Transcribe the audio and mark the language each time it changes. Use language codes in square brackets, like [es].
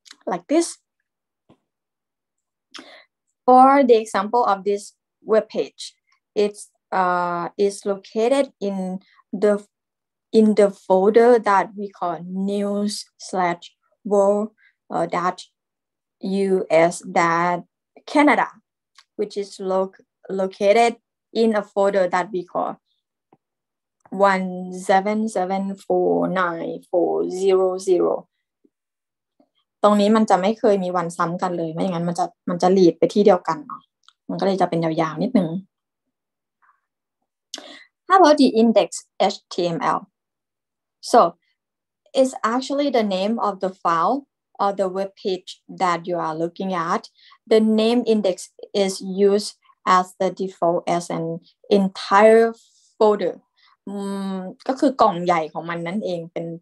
[en] like thisFor the example of this webpage, it's located in the folder that we call news/world.us/Canada, which is located in a folder that we call 1774940. [th] ตรงนี้มันจะไม่เคยมีวันซ้ำกันเลยไม่อย่างนั้นมันจะลีดไปที่เดียวกันเนาะมันก็เลยจะเป็นยาวๆนิดนึง [en] How about the index HTML? So it's actually the name of the file or the web page that you are looking at. The name index is used as the default as an entire folder. [th] ก็คือกล่องใหญ่ของมันนั่นเองเป